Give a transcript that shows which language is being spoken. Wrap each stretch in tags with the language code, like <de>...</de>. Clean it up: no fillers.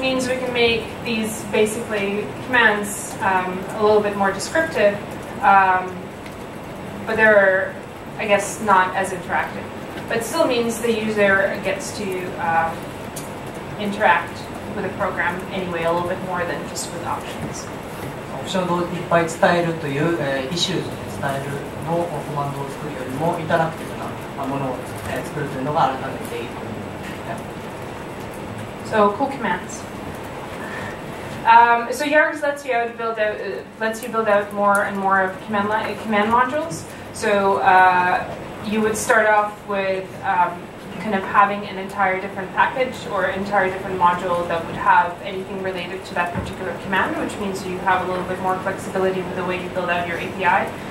<en>means we can make these basically commands a little bit more descriptive, but they're, I guess, not as interactive. But still means the user gets to interact with a program anyway, a little bit more than just with options.</en> <ja>オプションをいっぱい伝えるという、イシューズで伝えるのをコマンドを作るよりも、インタラクティブなものを作るというのが改めていいと思います。So,</ja> <en>cool commands. So Yargs lets you build out more and more of command modules. So you would start off with kind of having an entire different package or entire different module that would have anything related to that particular command, which means you have a little bit more flexibility with the way you build out your API.</en>